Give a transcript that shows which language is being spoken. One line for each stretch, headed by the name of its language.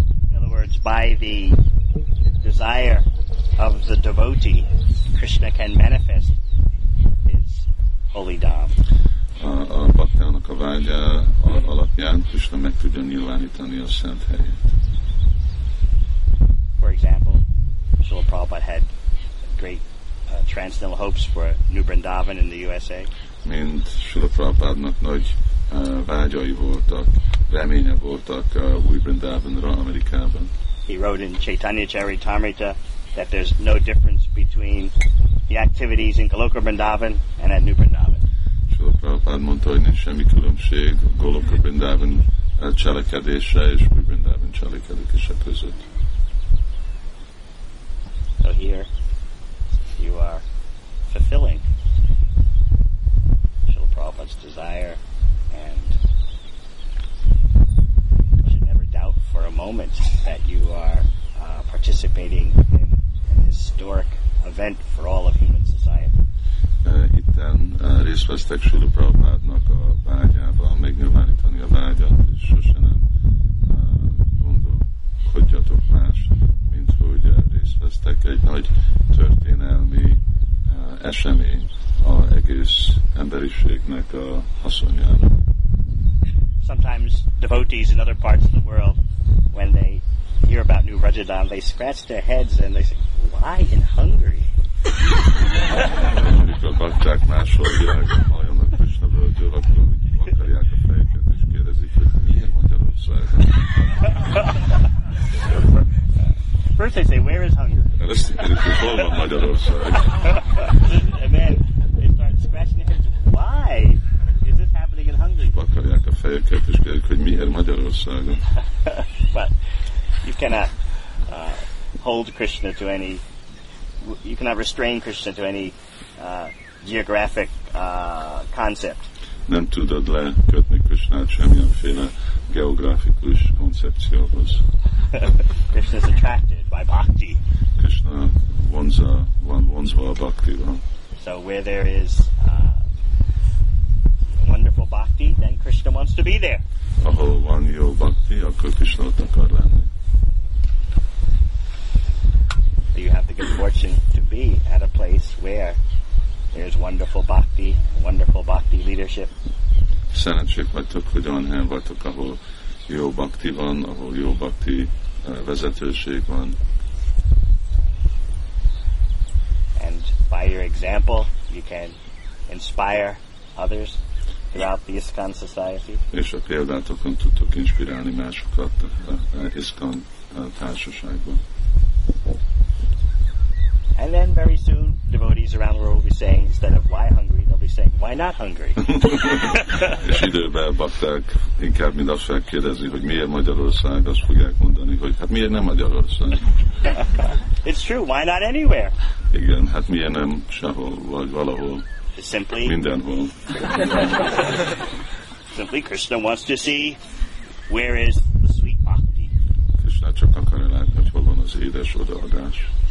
English: In other words, by the desire of the devotee, Krishna can manifest his holy dham.
Hungarian: A bhaktának a vágya alapján Krishna meg tudja nyilvánítani a szent helyét.
English: For example, Srila Prabhupada had great transcendental hopes for New Brindavan in the USA?
Hungarian: Mint Srila Prabhupádnak nagy vágyai voltak, reménye voltak Új Brindavanra Amerikában.
English: He wrote in Chaitanya Charitamrita that there's no difference between the activities in Goloka Vrindavan and at New Brindavan.
Hungarian: Srila Prabhupád mondta, hogy nincs semmi különbség Goloka Vrindavan cselekedése és Új Brindavan cselekedése között.
English: So here you are fulfilling Srila Prabhupada's desire, and you should never doubt for a moment that you are participating in an historic event for all of human society.
Hungarian: Itten részt vesztek Srila Prabhupádnak a vágyába, megnyilvánítani a vágyat, és sose nem gondolkodjatok más, mint hogy részt vesztek egy nagy történelmi esemény az egész emberiségnek a haszonjára.
English: Sometimes devotees in other parts of the world, when they hear about New Rajadhan, they scratch their heads and they say, why in Hungary?
Hungarian: Amerika bakták máshol világon halljanak Krisna völgyől, akkor úgy vakarják a fejüket és kérdezik, hogy miért Magyarország?
English: First they say, where is Hungary?
Hungarian: Hol van Magyarország?
English: And then they start scratching their heads, why is this happening in Hungary?
Hungarian: És vakarják a fejüket és kérdezik, hogy miért Magyarország?
English: But you cannot hold Krishna to any, you cannot restrain Krishna to any geographic concept.
Hungarian: Nem tudod lekötni Krishnát semmilyenféle geográfikus koncepcióhoz.
English: Krishna is attracted by bhakti.
Hungarian: Krishna vonzva a bhaktival.
English: So where there is wonderful bhakti, then Krishna wants to be there.
Hungarian: Ahol van jó bhakti, akkor Krishna ott akar lenni.
English: You have the good fortune to be at a place where there's wonderful bhakti leadership.
Hungarian: Szerencsék vagytok, hogy olyan helyen vagytok, ahol jó bhakti van, ahol jó bhakti vezetőség van.
English: And by your example, you can inspire others throughout the ISKCON society.
Hungarian: És a példátokon tudtok inspirálni másokat az ISKCON társaságban.
English: And then very soon, devotees around the world will be saying, instead of why hungry, they'll be saying, why not hungry?
Hungarian: És időben bakták inkább mind azt felkérdezni, hogy miért Magyarország, azt fogják mondani, hogy hát miért nem Magyarország?
English: It's true, why not anywhere?
Hungarian: Igen, hát miért nem sehol, vagy valahol.
English: Simply?
Hungarian: Mindenhol.
English: Simply, Krishna wants to see where is the sweet bhakti.
Hungarian: Krishna csak akarja látni, hogy hol van az édes odaadás.